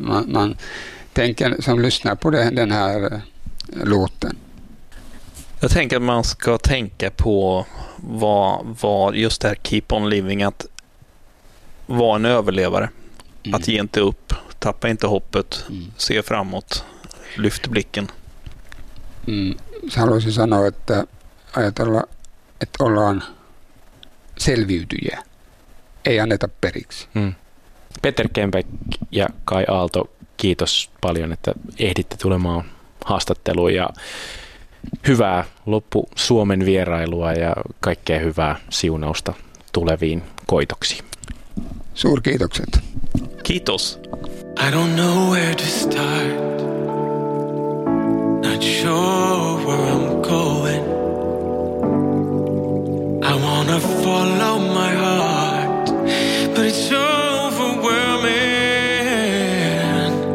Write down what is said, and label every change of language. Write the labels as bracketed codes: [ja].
[sv] Jag tänker som lyssnar på den här låten. Jag tänker att man ska tänka på vad just det här Keep on Living, att vara en överlevare. Mm. Att ge inte upp, tappa inte hoppet, se framåt, lyft blicken. [fi] Så haluaisin sanoa, että ajatella, että ollaan selviytyjä. Ei anneta periksi. Mm. Peter Kempek ja Kai Aalto, kiitos paljon, että ehditte tulemaan haastatteluun ja hyvää loppu Suomen vierailua ja kaikkea hyvää siunausta tuleviin koitoksiin. Suurkiitokset. Kiitos. [en] I don't know where to start. Not sure where I'm going. I wanna follow my heart, but it's overwhelming.